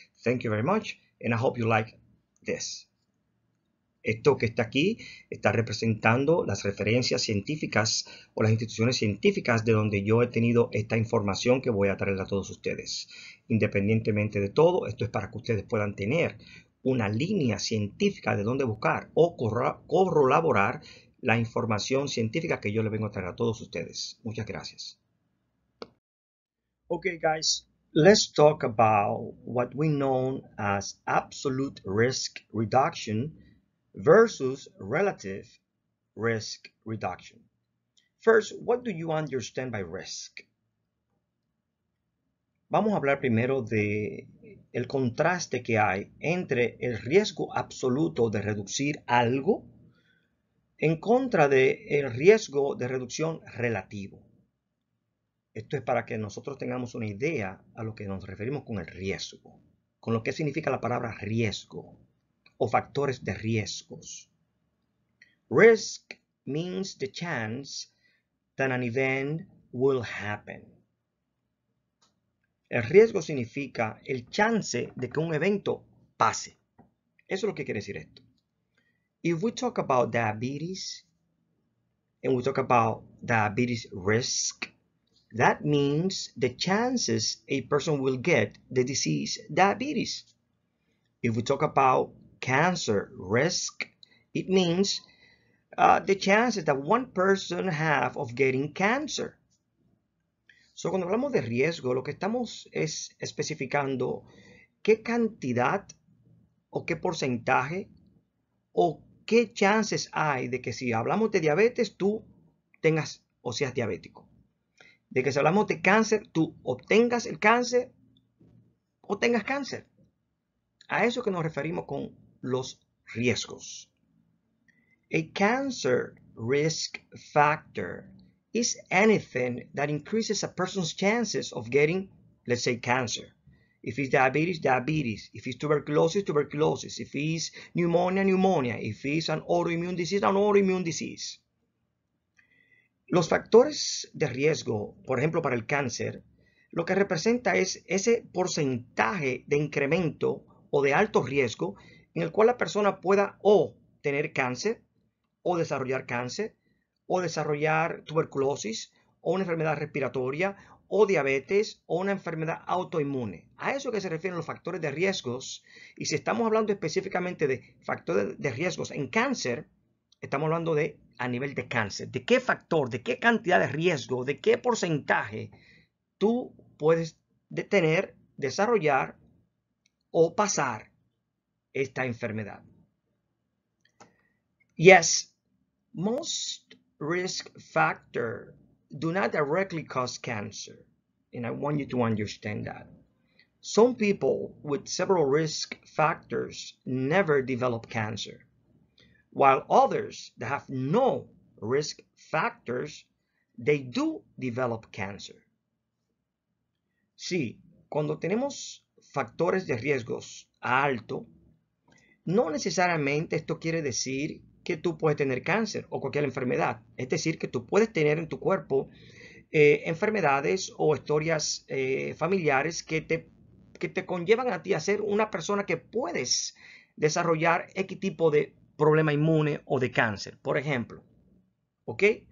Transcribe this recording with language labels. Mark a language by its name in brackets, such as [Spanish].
[English] Thank you very much, and I hope you like this. [Spanish] Esto que está aquí está representando las referencias científicas o las instituciones científicas de donde yo he tenido esta información que voy a traer a todos ustedes. Independientemente de todo, esto es para que ustedes puedan tener una línea científica de dónde buscar o corroborar la información científica que yo le vengo a traer a todos ustedes. Muchas gracias. [English] Okay, guys, let's talk about what we know as absolute risk reduction versus relative risk reduction. First, what do you understand by risk? [Spanish] Vamos a hablar primero de el contraste que hay entre el riesgo absoluto de reducir algo en contra de el riesgo de reducción relativo. Esto es para que nosotros tengamos una idea a lo que nos referimos con el riesgo, con lo que significa la palabra riesgo o factores de riesgos. [English] Risk means the chance that an event will happen. [Spanish] El riesgo significa el chance de que un evento pase. Eso es lo que quiere decir esto. [English] If we talk about diabetes, and we talk about diabetes risk, that means the chances a person will get the disease diabetes. If we talk about cancer risk, it means the chances that one person have of getting cancer. [Spanish] So, cuando hablamos de riesgo, lo que estamos es especificando qué cantidad o qué porcentaje o qué chances hay de que si hablamos de diabetes, tú tengas o seas diabético. De que si hablamos de cáncer, tú obtengas el cáncer o tengas cáncer. A eso que nos referimos con los riesgos. [English] A cancer risk factor is anything that increases a person's chances of getting, let's say, cancer. If it's diabetes, diabetes. If it's tuberculosis, tuberculosis. If it's pneumonia, pneumonia. If it's an autoimmune disease, an autoimmune disease. [Spanish] Los factores de riesgo, por ejemplo, para el cáncer, lo que representa es ese porcentaje de incremento o de alto riesgo en el cual la persona pueda o tener cáncer, o desarrollar tuberculosis, o una enfermedad respiratoria, o diabetes, o una enfermedad autoinmune. A eso que se refieren los factores de riesgos, y si estamos hablando específicamente de factores de riesgos en cáncer, estamos hablando de a nivel de cáncer. ¿De qué factor, de qué cantidad de riesgo, de qué porcentaje tú puedes tener, desarrollar o pasar esta enfermedad? [English] Yes, most risk factor do not directly cause cancer. And I want you to understand that. Some people with several risk factors never develop cancer, while others that have no risk factors, they do develop cancer. [Spanish] Sí, cuando tenemos factores de riesgos alto, no necesariamente esto quiere decir que tú puedes tener cáncer o cualquier enfermedad. Es decir, que tú puedes tener en tu cuerpo enfermedades o historias familiares que te conllevan a ti a ser una persona que puedes desarrollar X tipo de problema inmune o de cáncer, por ejemplo. ¿Ok?